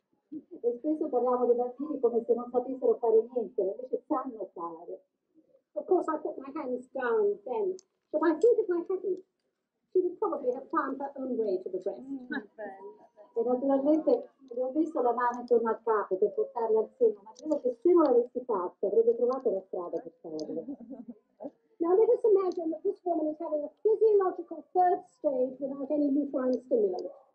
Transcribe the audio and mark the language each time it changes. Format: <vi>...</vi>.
<it>E spesso parliamo dei bambini come se non sapessero fare niente, invece sanno fare.</it> <en>Of course I put my hands down then, but I think if I hadn't, she would probably have found her own way to the breast.</en> <it>E naturalmente le ho messo la mano intorno al capo per portarla al seno, ma credo che se non l'avessi fatto avrebbe trovato la strada per farlo.</it> <en>Now let us imagine that this woman is having a physiological third stage without any uterine stimulus.</en>